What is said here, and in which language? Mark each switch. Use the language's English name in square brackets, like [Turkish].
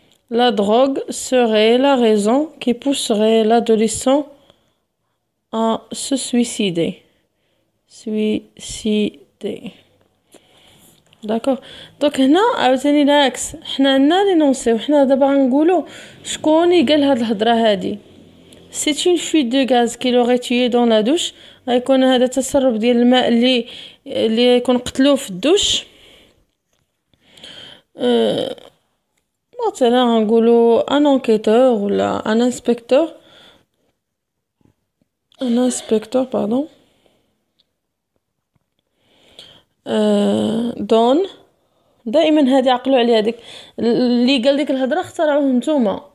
[French] La drogue serait la raison qui pousserait l'adolescent à se suicider. Suicider. داكوغ. [Arabic] دونك هنا عاوتاني العكس، حنا عندنا لينونسي وحنا دابا غنقولو شكون اللي قال هاد الهضره هادي. [French] C'est une fuite de gaz qui l'aurait tué dans la douche. [Arabic] غيكون هذا التسرب ديال الماء اللي يكون قتلو في الدوش. مثلا نقولوا [French] ان انكيتور ولا ان انسبكتور، [Arabic] ان انسبكتور باردون، دون دائما هذه عقلوا عليها. هذيك اللي قال ديك الهضره اخترعوه نتوما،